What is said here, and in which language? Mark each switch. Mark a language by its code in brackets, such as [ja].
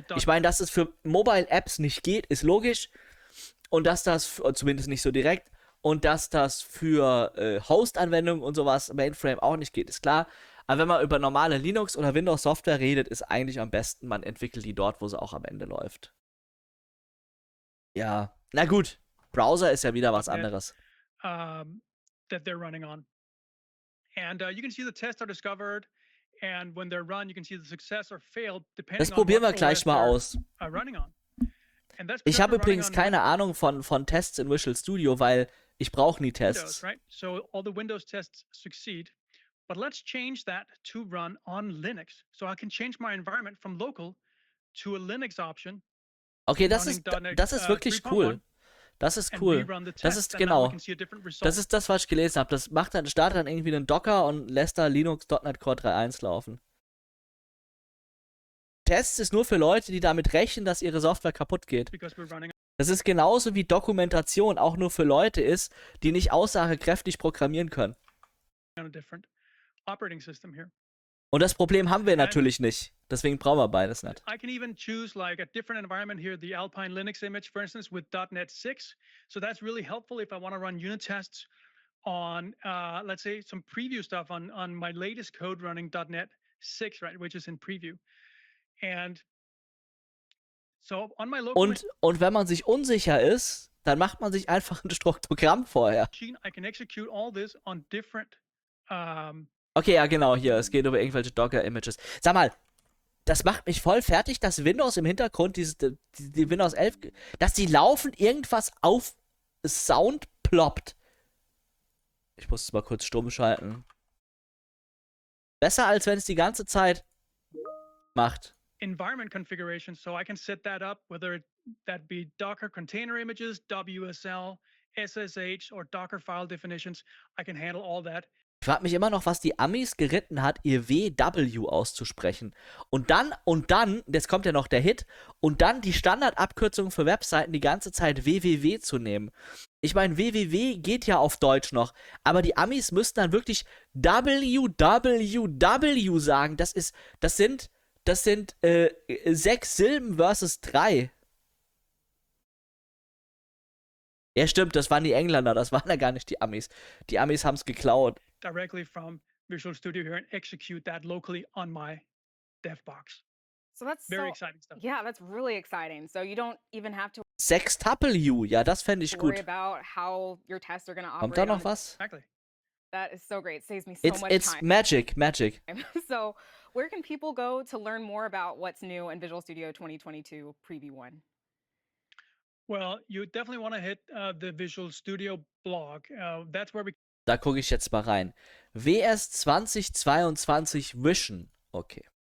[de] Ich meine, dass es für Mobile-Apps nicht geht, ist logisch. Und dass das, zumindest nicht so direkt, und dass das für Host-Anwendungen und sowas, Mainframe, auch nicht geht, ist klar. Aber wenn man über normale Linux- oder Windows-Software redet, ist eigentlich am besten, man entwickelt die dort, wo sie auch am Ende läuft. Ja, na gut. Browser ist ja wieder was anderes. [en] That they're running on. And you can see the tests are discovered. And when they're run, you can see the success or fail depending. [de] Das probieren wir gleich mal aus. Ich habe übrigens keine Ahnung von Tests in Visual Studio, weil ich brauche nie Tests. [en] So all the Windows tests succeed, but let's change that to run on Linux. So I can change my environment from local to a Linux option. [de] Okay, das ist wirklich cool. Das ist cool. Das ist genau. Das ist das, was ich gelesen habe. Das macht dann, startet dann irgendwie einen Docker und lässt da Linux.NET Core 3.1 laufen. Tests ist nur für Leute, die damit rechnen, dass ihre Software kaputt geht. Das ist genauso wie Dokumentation auch nur für Leute ist, die nicht aussagekräftig programmieren können. Und das Problem haben wir natürlich nicht. Deswegen brauchen wir beides nicht. [en] I can even choose like a different environment here, the Alpine Linux image, for instance, with .NET 6. So that's really helpful if I want to run unit tests on, let's say, some preview stuff on my latest code running .NET 6, right, which is in preview. And so on my local. [de] Und wenn man sich unsicher ist, dann macht man sich einfach ein Struktogramm vorher. [en] I can execute all this on different. [de] Okay, ja, genau, hier, es geht über irgendwelche Docker-Images. Sag mal, das macht mich voll fertig, dass Windows im Hintergrund, die Windows 11, dass die laufend irgendwas auf Sound ploppt. Ich muss es mal kurz stumm schalten. Besser, als wenn es die ganze Zeit macht. [en] Environment configuration, so I can set that up, whether that be Docker container images, WSL, SSH or Docker file definitions, I can handle all that. [de] Ich frage mich immer noch, was die Amis geritten hat, ihr WW auszusprechen. Und dann, jetzt kommt ja noch der Hit, und dann die Standardabkürzung für Webseiten die ganze Zeit www zu nehmen. Ich meine, www geht ja auf Deutsch noch, aber die Amis müssten dann wirklich www sagen. Das sind sechs Silben versus drei. Ja, stimmt, das waren die Engländer, das waren ja gar nicht die Amis. Die Amis haben es geklaut. [en] Directly from Visual Studio here and execute that locally on my dev box. So that's very exciting stuff. Yeah, that's really exciting. So you don't even have to sextuple you. [de] Ja, das fände ich gut. [en] Worry about how your tests are gonna operate. [de] Kommt da noch was? [en] Exactly. That is so great. It saves me so much time. It's magic. So where can people go to learn more about what's new in Visual Studio 2022 Preview 1? Well, you definitely want to hit the Visual Studio blog. That's where we. [de] Da gucke ich jetzt mal rein. WS 2022 Vision. Okay.